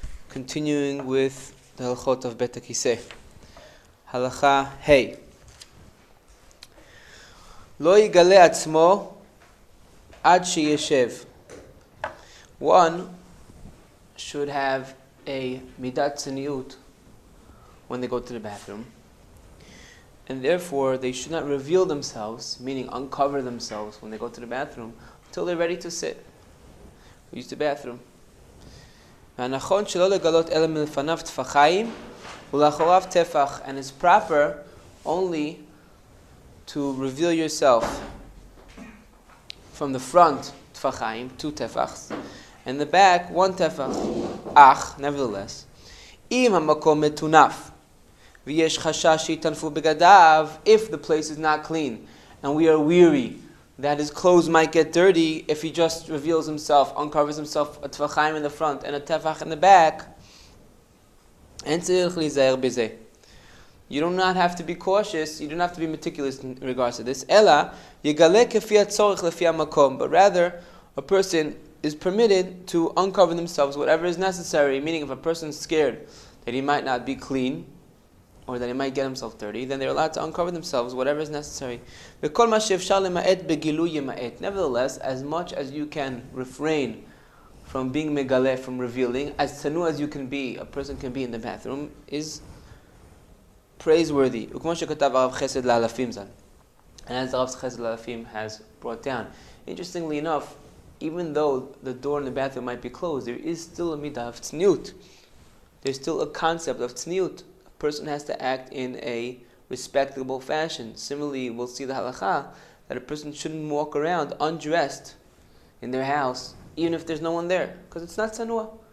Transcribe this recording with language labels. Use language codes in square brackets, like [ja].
[en] Continuing with the הלכות of בית הכיסא. [he] הלכה ה' לא יגלה עצמו עד שישב. [en] One should have a midat tzniut when they go to the bathroom. And therefore, they should not reveal themselves, meaning uncover themselves when they go to the bathroom, until they're ready to sit. Use the bathroom. [he] והנכון שלא לגלות אלא מלפניו תפחיים ולאחוריו תפח. [en] And it's proper only to reveal yourself from the front, תפחיים, two תפחs, and the back, one תפח. אך, nevertheless, [he] אם המקום מתונף, ויש חשש שיתנפו בגדיו, [en] if the place is not clean, and we are weary, that his clothes might get dirty, if he just reveals himself, uncovers himself, a tefachim in the front, and a tefach in the back, [he] אין צריך להיזהר בזה. [en] You do not have to be cautious, you don't have to be meticulous in regards to this, אלא, [he] יגלה כפי הצורך לפי המקום, [en] but rather, a person is permitted to uncover themselves, whatever is necessary, meaning if a person is scared that he might not be clean, or that he might get himself dirty, then they're allowed to uncover themselves, whatever is necessary. [he] וכל מה שאפשר למעט בגילוי ימעט. [en] Nevertheless, as much as you can refrain from being מגלה, from revealing, as צנוע as you can be, a person can be in the bathroom, is praiseworthy. [he] וכמו שכתב הרב חסד לאלפים זן. [en] And as הרב חסד לאלפים has brought down. Interestingly enough, even though the door in the bathroom might be closed, there is still a midah of tzniut. There's still a concept of tzniut. Person has to act in a respectable fashion. Similarly, we'll see the halakha that a person shouldn't walk around undressed in their house, even if there's no one there, because it's not tzanua.